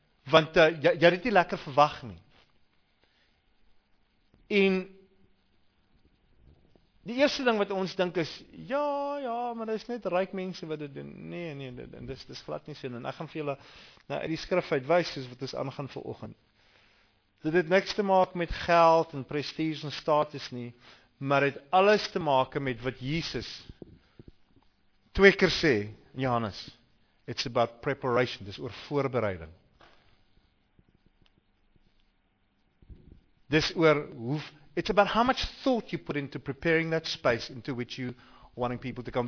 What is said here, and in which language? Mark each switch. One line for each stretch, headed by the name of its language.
Afrikaans: Want jy het nie lekker verwag nie. En die eerste ding wat ons dink is, ja, maar dit is net ryk mense wat dit doen. Nee, dit is glad nie so. En ek gaan vir julle nou, die skrif uitwys, soos wat ons aangaan vir oggend. Dit het niks te maak met geld en prestige en status nie, maar het alles te maak met wat Jesus twee keer sê, Johannes,
English: it's about preparation,
Afrikaans: dis oor voorbereiding. Dis oor hoe,
English: it's about how much thought you put into preparing that space into which you wanting people to come.